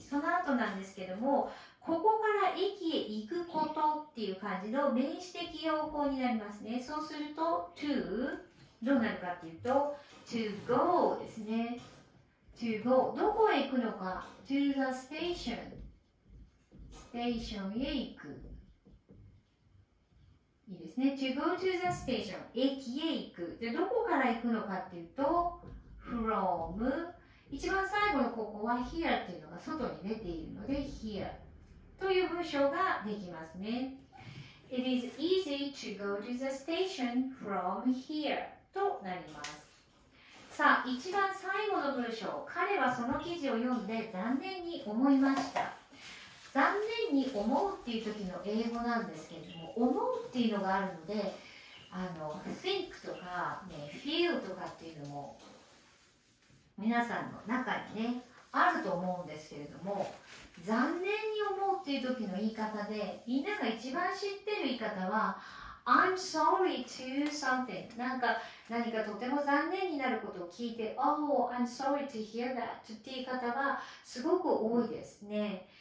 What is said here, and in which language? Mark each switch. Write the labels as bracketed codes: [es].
[ja] その後なんですけども、ここから駅へ行くことっていう感じの名詞的用法になりますね。そうすると、to、どうなるかっていうと、 to go ですね。 To go、どこへ行くのか、 To the station、ステーションへ行く、いいですね。 [en] To go to the station、駅へ行く。 [ja] でどこから行くのかっていうと From、 一番最後のここは Here っていうのが外に出ているので Here という文章ができますね。 [en] It is easy to go to the station from here となります。 [ja] さあ、一番最後の文章、彼はその記事を読んで残念に思いました。残念に思うっていう時の英語なんですけれども、思うっていうのがあるので、think とか、ね、feel とかっていうのも皆さんの中にねあると思うんですけれども、残念に思うっていう時の言い方でみんなが一番知ってる言い方は I'm sorry to something、なんか何かとても残念になることを聞いて Oh, I'm sorry to hear that っていう方はすごく多いですね。